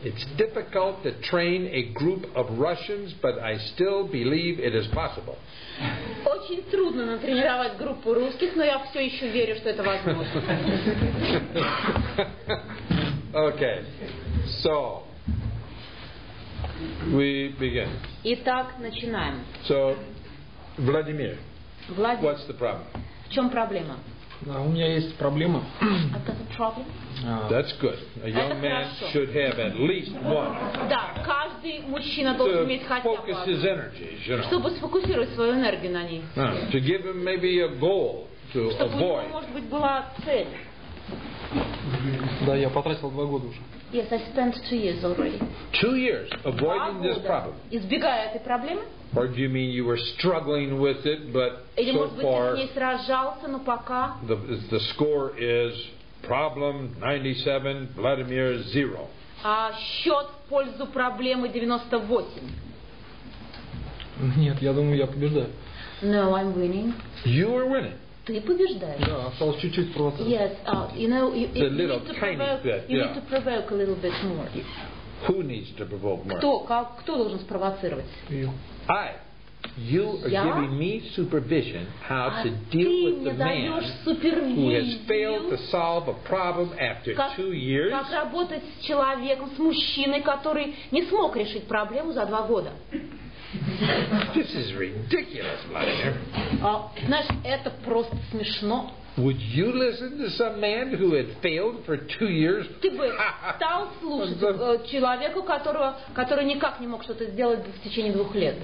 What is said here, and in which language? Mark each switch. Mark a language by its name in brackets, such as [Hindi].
[English] It's difficult to train a group of Russians, but I still believe it is possible. [Russian] Очень трудно натренировать группу русских, но я все еще верю, что это возможно. [English] Okay. So we begin. [Russian] Итак, начинаем. [English] So Vladimir. Vladimir. What's the problem? [Russian] В чём проблема? Да, у меня есть проблема. [English] I've got a problem. That's good. A young man should have at least one. [Russian] Да, каждый мужчина должен иметь хотя бы одну. [English] Focus his energy, you know. [Russian] Чтобы сфокусировать свою энергию на ней. [English] To give him maybe a goal to avoid. [Russian] Чтобы, может быть, была цель. Да, я потратил 2 года уже. [English] Yes, I spent 2 years already. 2 years avoiding this problem. [Russian] Избегая этой проблемы? [English] Or do you mean you were struggling with it, but [Russian] Или, [English] so [Russian] может, [English] far? [Russian] Я не сражался, но пока. [English] The score is problem 97, Vladimir 0. [Russian] А счет в пользу проблемы 98. Нет, я думаю, я побеждаю. [English] No, I'm winning. You are winning. [Russian] Ты побеждаешь. Да, осталось чуть-чуть провоцировать. [English] Yes, you know, you need to provoke a little bit more. Who needs to provoke more? [Russian] Кто должен спровоцировать? [English] You. I. You are giving me supervision how to deal with the man who has failed to solve a problem after 2 years. [Russian] Как работать с человеком, с мужчиной, который не смог решить проблему за 2 года? [English] This is ridiculous, Vladimir. [Russian] Знаешь, это просто смешно. [English] Would you listen to some man who had failed for 2 years? [Russian] Ты бы стал слушать человеку, который никак не мог что-то сделать в течение 2 лет?